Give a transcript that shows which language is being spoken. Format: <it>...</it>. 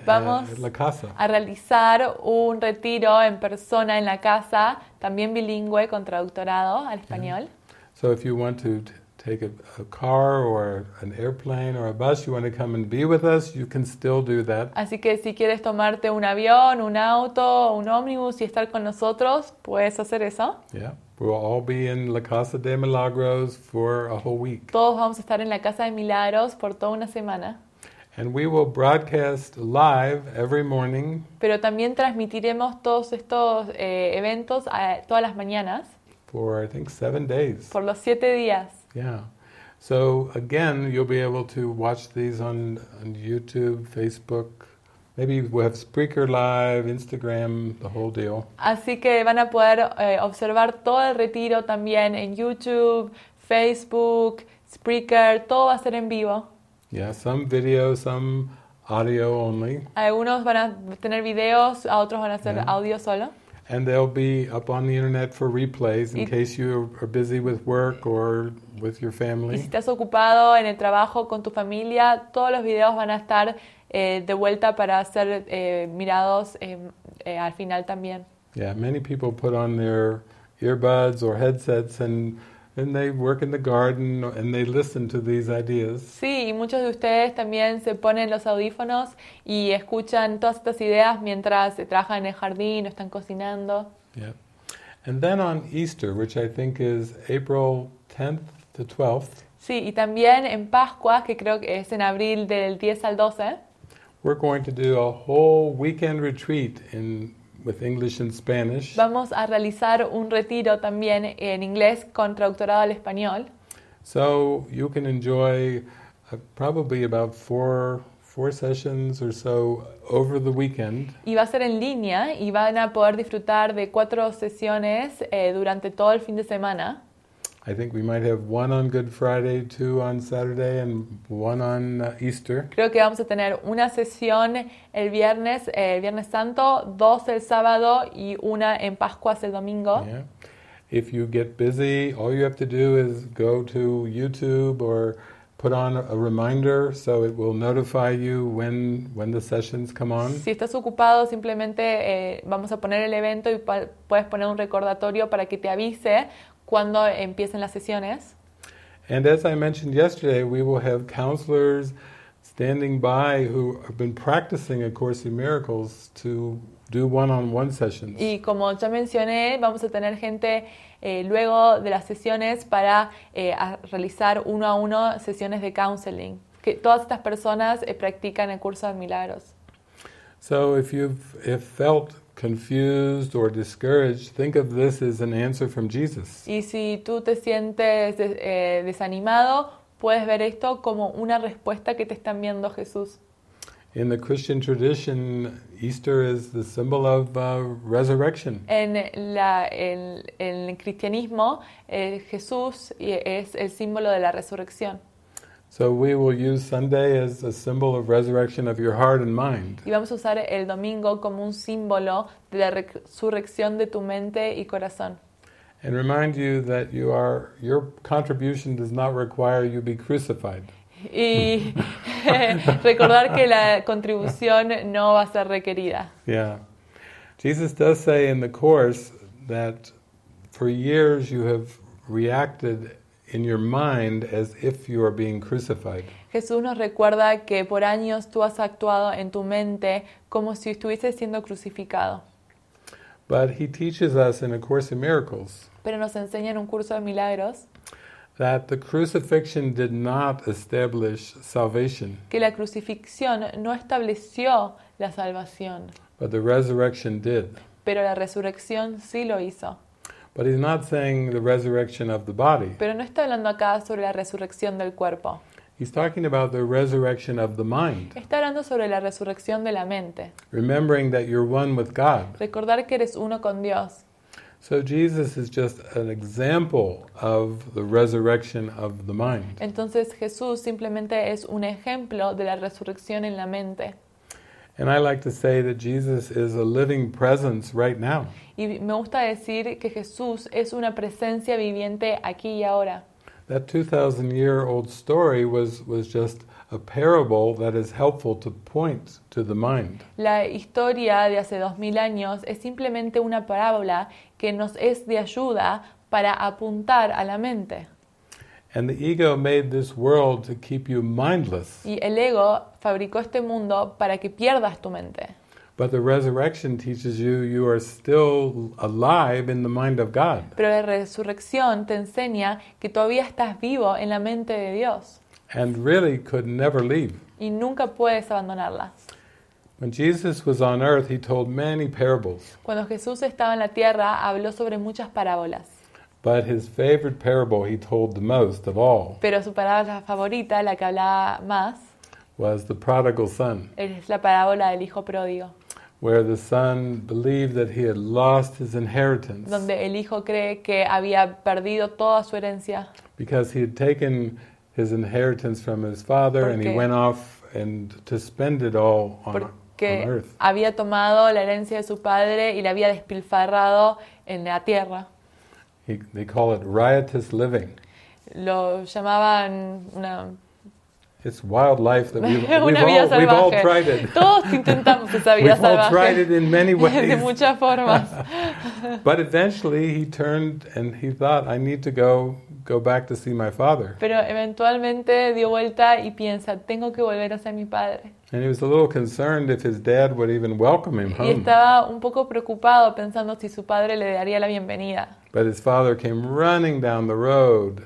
<es>vamos</es> <en>at La Casa.</en> <es>A realizar un retiro en persona en la casa, también bilingüe con traductorado al español.</es> <en>Yeah. So if you want to take a car or an airplane or a bus, you want to come and be with us, you can still do that.</en> <es>Así que si quieres tomarte un avión, un auto, un ómnibus y estar con nosotros, puedes hacer eso.</es> <en>Yeah. We'll all be in La Casa de Milagros for a whole week.</en> <es>Todos vamos a estar en la Casa de Milagros por toda una semana.</es> <en>And we will broadcast live every morning.</en> <es>Pero también transmitiremos todos estos eventos todas las mañanas.</es> <en>For I think 7 days.</en> <es>Por los 7 días.</es> <en>Yeah. So again, you'll be able to watch these on YouTube, Facebook. Maybe we'll have Spreaker Live, Instagram, the whole deal.</en> <es>Así que van a poder observar todo el retiro también en YouTube, Facebook, Spreaker, todo va a ser en vivo.</es> <en>Yeah, some video, some audio only.</en> <es>Algunos van a tener videos, a otros van a hacer audio solo.</es> <en>And they'll be up on the internet for replays in case you are busy with work or with your family.</en> <es>Y si estás ocupado en el trabajo con tu familia, todos los videos van a estar de vuelta para ser mirados al final también.</es> <en>Yeah, many people put on their earbuds or headsets and they work in the garden and they listen to these ideas.</en> <es>Sí, y muchos de ustedes también se ponen los audífonos y escuchan todas estas ideas mientras trabajan en el jardín o están cocinando.</es> <en>Yeah. And then on Easter, which I think is April 10th to 12th.</en> <es>Sí, y también en Pascua, que creo que es en abril del 10 al 12.</es> <en>We're going to do a whole weekend retreat in with English and Spanish.</en> <es>Vamos a realizar un retiro también en inglés con traductorado al español.</es> <en>So you can enjoy probably about four sessions or so over the weekend.</en> <es>Y va a ser en línea y van a poder disfrutar de 4 sesiones durante todo el fin de semana.</es> <en>I think we might have one on Good Friday, 2 on Saturday, and 1 on Easter.</en> <es>Creo que vamos a tener una sesión el Viernes Santo, 2 el sábado y una en Pascuas el domingo.</es> <en>Yeah. If you get busy, all you have to do is go to YouTube or put on a reminder, so it will notify you when the sessions come on.</en> <es>Si estás ocupado, simplemente vamos a poner el evento y puedes poner un recordatorio para que te avise cuando empiecen las sesiones.</es> <en>And as I mentioned yesterday, we will have counselors standing by who have been practicing A Course in Miracles to do one-on-one sessions.</en> <es>Y como ya mencioné, vamos a tener gente luego de las sesiones para realizar uno a uno sesiones de counseling. Que todas estas personas practican el curso de milagros.</es> <en>So if you've felt confused or discouraged, think of this as an answer from Jesus.</en> <es>Y si tú te sientes desanimado, puedes ver esto como una respuesta que te está enviando Jesús.</es> <en>In the Christian tradition, Easter is the symbol of resurrection.</en> <es>En el cristianismo, Jesús es el símbolo de la resurrección.</es> <en>So we will use Sunday as a symbol of resurrection of your heart and mind.</en> <es>Y vamos a usar el domingo como un símbolo de la resurrección de tu mente y corazón.</es> <en>And remind you that your contribution does not require you be crucified.</en> <es>Y recordar que la contribución no va a ser requerida.</es> <en>Yeah. Jesus does say in the Course that for years you have reacted in your mind as if you are being crucified.</en> <es>Jesús nos recuerda que por años tú has actuado en tu mente como si estuvieses siendo crucificado.</es> <en>But he teaches us in A Course in Miracles.</en> <es>Pero nos enseña en un curso de milagros.</es> <en>That the crucifixion did not establish salvation.</en> <es>Que la crucifixión no estableció la salvación.</es> <en>But the resurrection did.</en> <es>Pero la resurrección sí lo hizo.</es> <en>But he's not saying the resurrection of the body.</en> <es>Pero no está hablando acá sobre la resurrección del cuerpo.</es> <en>He's talking about the resurrection of the mind.</en> <es>Está hablando sobre la resurrección de la mente.</es> <en>Remembering that you're one with God.</en> <es>Recordar que eres uno con Dios.</es> <en>So Jesus is just an example of the resurrection of the mind.</en> <es>Entonces Jesús simplemente es un ejemplo de la resurrección en la mente.</es> <en>And I like to say that Jesus is a living presence right now.</en> <es>Y me gusta decir que Jesús es una presencia viviente aquí y ahora.</es> <en>That 2,000-year-old story was just a parable that is helpful to point to the mind.</en> <es>La historia de hace 2,000 años es simplemente una parábola que nos es de ayuda para apuntar a la mente.</es> <en>And the ego made this world to keep you mindless.</en> <es>Y el ego fabricó este mundo para que pierdas tu mente.</es> <en>But the resurrection teaches you are still alive in the mind of God.</en> <es>Pero la resurrección te enseña que todavía estás vivo en la mente de Dios.</es> <en>And really could never leave.</en> <es>Y nunca puedes abandonarla.</es> <en>When Jesus was on earth, he told many parables.</en> <es>Cuando Jesús estaba en la tierra, habló sobre muchas parábolas.</es> <en>But his favorite parable he told the most of all.</en> <es>Pero su parábola favorita, la que hablaba más,</es> <en>was the prodigal son.</en> <es>Es la parábola del hijo pródigo.</es> <en>Where the son believed that he had lost his inheritance.</en> <es>Donde el hijo cree que había perdido toda su herencia.</es> <en>Because he had taken his inheritance from his father and he went off and to spend it all on earth.</en> <es>Porque había tomado la herencia de su padre y la había despilfarrado en la tierra.</es> <en>They call it riotous living.</en> <es>Lo llamaban una...</es> <en>It's wild life that we've all tried it.</en> <es>Todos intentamos esa vida</es> <en>we've</en> <es>salvaje.</es> <en>We've all tried it in many ways.</en> <es>De muchas formas.</es> <en>But eventually he turned and he thought, I need to go back to see my father.</en> <es>Pero eventualmente dio vuelta y piensa, tengo que volver a ser mi padre.</es> <en>And he was a little concerned if his dad would even welcome him home.</en> <es>Y estaba un poco preocupado pensando si su padre le daría la bienvenida.</es> <en>But his father came running down the road.</en>